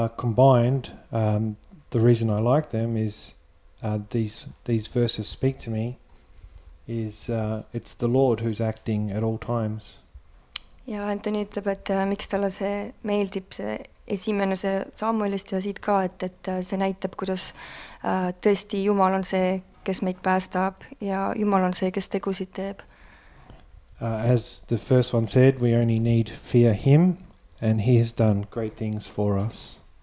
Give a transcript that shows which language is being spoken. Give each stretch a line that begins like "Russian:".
English: So combined, the reason I like them is these verses speak to me is it's the Lord who's acting at all times.
Estonian: Ja Antoni ütleb, et miks talle see meeldib, see esimene see Samuelist ja siit ka, et see näitab, kuidas tõesti Jumal on see, kes meid päästab ja Jumal on see, kes tegusid teeb.
English: As the first one said, we only need fear him and he has done great things for us.